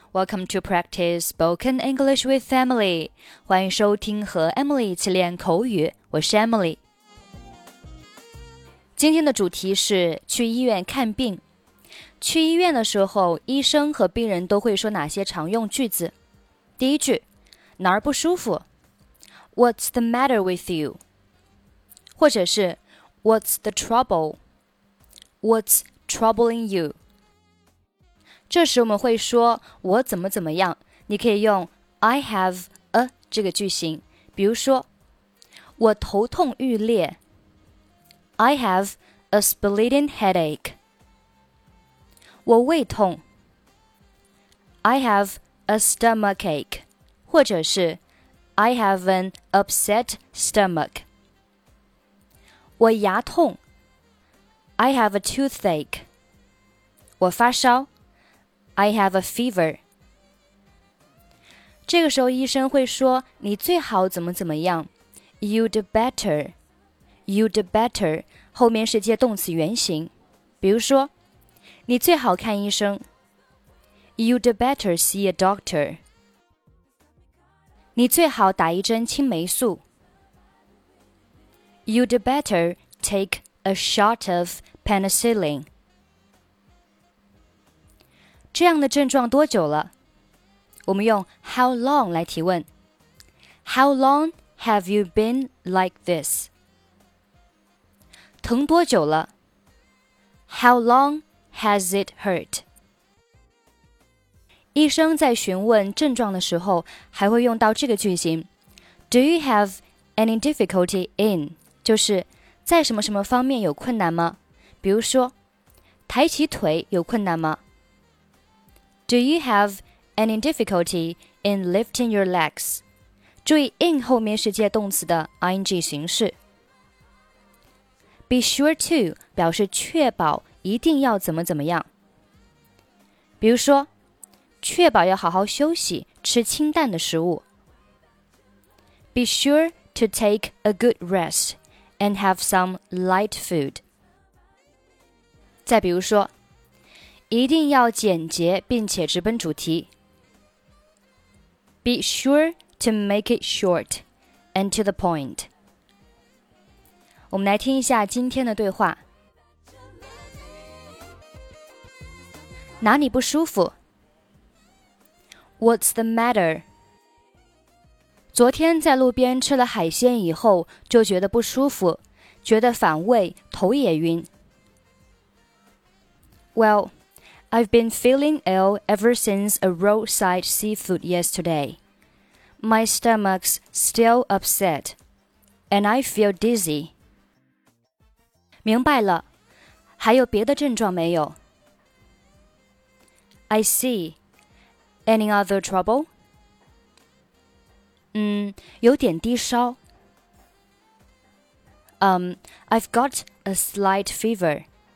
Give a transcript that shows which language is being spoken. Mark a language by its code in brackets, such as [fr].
[en] Welcome to Practice Spoken English with Emily. [zh] 欢迎收听和 Emily 一起练口语。我是 Emily。今天的主题是去医院看病。去医院的时候，医生和病人都会说哪些常用句子？第一句，哪儿不舒服？ [en] What's the matter with you? 或者是 What's the trouble? What's troubling you? [zh] 这时我们会说我怎么怎么样，你可以用 [en] I have a [zh] 这个句型，比如说我头痛欲裂， [en] I have a splitting headache， [zh] 我胃痛， [en] I have a stomachache， [zh] 或者是 [en] I have an upset stomach， [zh] 我牙痛， [en] I have a toothache， [zh] 我发烧， [en] I have a fever. [zh] 这个时候医生会说你最好怎么怎么样。 [en] You'd better. You'd better. [zh] 后面是接动词原形。比如说你最好看医生。 [en] You'd better see a doctor. [zh] 你最好打一针青霉素。 [en] You'd better take a shot of penicillin. [zh] 这样的症状多久了？我们用 [en] how long [zh] 来提问。 [en] How long have you been like this? [zh] 疼多久了？ [en] How long has it hurt? [zh] 医生在询问症状的时候还会用到这个句型。 [en] Do you have any difficulty in? [zh] 就是在什么什么方面有困难吗？比如说，抬起腿有困难吗？ [en] Do you have any difficulty in lifting your legs? [zh] 注意 in 后面是接动词的 ing 形式。 [en] Be sure to [zh] 表示确保一定要怎么怎么样。比如说，确保要好好休息，吃清淡的食物。 [en] Be sure to take a good rest and have some light food. [zh] 再比如说一定要简洁并且直奔主题。 [en] Be sure to make it short and to the point. [zh] 我们来听一下今天的对话。哪里不舒服？ [en] What's the matter? [zh] 昨天在路边吃了海鲜以后就觉得不舒服，觉得反胃，头也晕。 [en] Well,I've been feeling ill ever since a roadside seafood yesterday. My stomach's still upset, and I feel dizzy. [zh] 明白了，还有别的症状没有？ [en] I see. Any other trouble? [zh] 有点低烧。 [en] I've got a slight fever.